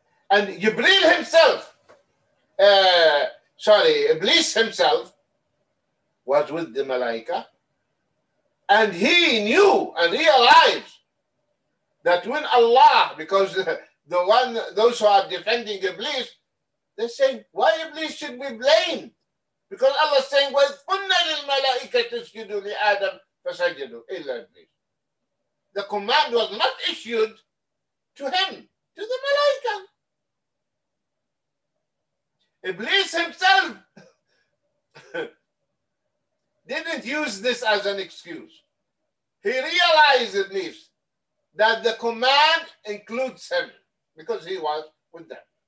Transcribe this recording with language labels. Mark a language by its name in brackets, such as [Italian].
[English] And Jibril himself, Iblis himself was with the Malaika. And he knew and realized that when Allah, because those who are defending Iblis, they're saying, why Iblis should be blamed? Because Allah is saying, [Arabic] وَإِذْقُنَّ لِلْمَلَائِكَةِ اسْجُدُوا لِآدَمْ فَسَجِدُوا إِلَّا إِبْلِيسَ. [English] The command was not issued to him, to the Malaika. Iblis himself didn't use this as an excuse. He realized, Iblis, that the command includes him because he was with them.